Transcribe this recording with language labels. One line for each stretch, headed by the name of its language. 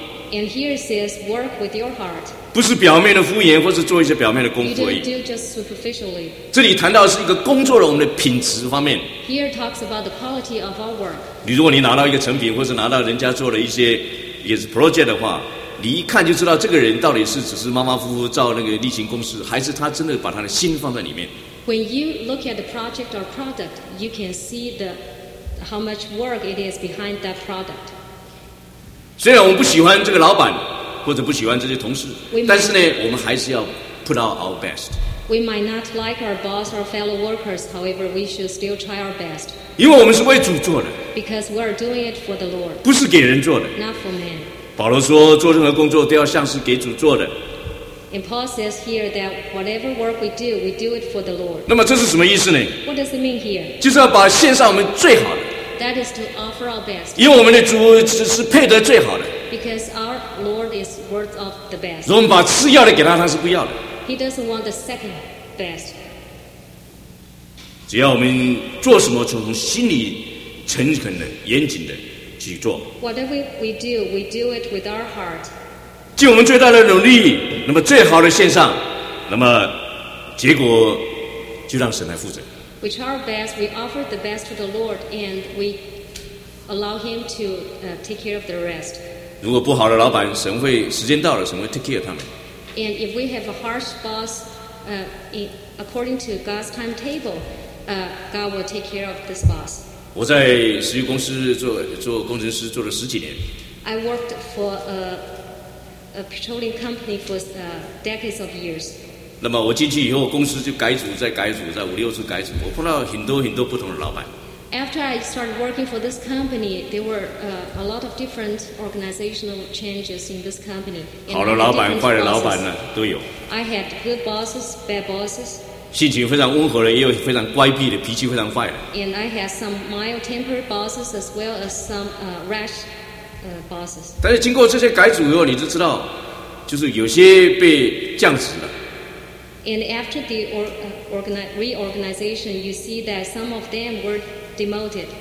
English: And here it says, work with your heart.
Chinese: 不是表面的敷衍，或是做一些表面的功夫而已。
English: You didn't do just superficially.
Chinese: 这里谈到的是一个工作的我们的品质方面。
English: Here it talks about the quality of our work.
Chinese: 你如果你拿到一个成品，或是拿到人家做的一些也是 project 的话，你一看就知道这个人到底是只是马马虎虎照那个例行公事，还是他真的把他的心放在里面。
English: When you look at the project or product, you can see the how much work it is behind that product.
Chinese: 虽然我们不喜欢这个老板，或者不喜欢这些同事，但是呢，我们还是要
English: put out our best. We might not like our boss or fellow workers, however, we should still try our best.
Chinese: 因为我们是为主做的
English: ，because we are doing it for the Lord.
Chinese: 不是给人做的
English: ，not for man.
Chinese: 保罗说，做任何工作都要像是给主做的。
English: And Paul says here that whatever work we do it for the Lord.
Chinese: 那么这是什么意思呢
English: ？What does it mean here?
Chinese: 就是要把献上我们最好的。
English: That is to offer our best.
Chinese: 因为我们的主是配得最好的。
English: Because our Lord is worth of the best.
Chinese: 如果我们把次要的给他，他是不要的。
English: He doesn't want the second best.
Chinese: 只要我们做什么，从心里诚恳的、严谨的去做。
English: Whatever we do, we do it with our heart.
Chinese: 尽我们最大的努力，那么最好的献上，那么结果就让神来负责。
English: We try our best, we offer the best to the Lord, and we allow Him to take care of the rest.
Chinese: 如果不好的老板，神会时间到了，神会
English: take care
Chinese: 他们。
English: And if we have a harsh boss, according to God's timetable, God will take care of this boss.
Chinese: 我在石油公司做工程师做了十几年。
English: I worked for a petroleum company for decades of years.
Chinese: 那么我进去以后，公司就改组，再改组，再五六次改组。我碰到很多很多不同的老板。
English: After I started working for this company, there were a lot of different organizational changes in this company.
Chinese: 好的老板，坏的老板呢，都有。
English: I had good bosses, bad bosses.
Chinese: 性情非常温和的，也有非常乖僻的，脾气非常坏的。
English: And I have some mild-tempered bosses as well as some rash bosses.
Chinese: 但是经过这些改组以后，你就知道，就是有些被降职了。
English: And after the reorganization, you see that some of them were demoted.